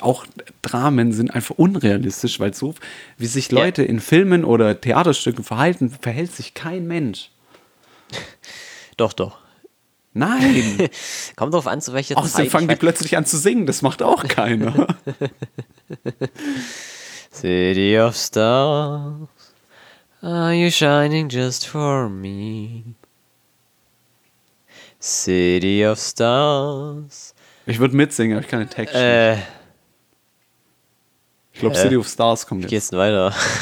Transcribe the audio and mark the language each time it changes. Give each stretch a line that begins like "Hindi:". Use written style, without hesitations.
German: Auch Dramen sind einfach unrealistisch, weil so, wie sich Leute in Filmen oder Theaterstücken verhalten, verhält sich kein Mensch. Doch, doch. Nein. Kommt drauf an, zu welcher Zeit. Außerdem fangen die plötzlich an zu singen, das macht auch keiner.
English: City of stars, are you shining just for me? City of Stars.
German: Ich würde mitsingen, aber ich kann den Text nicht. Ich glaube, City of Stars kommt jetzt. Wie geht's denn weiter?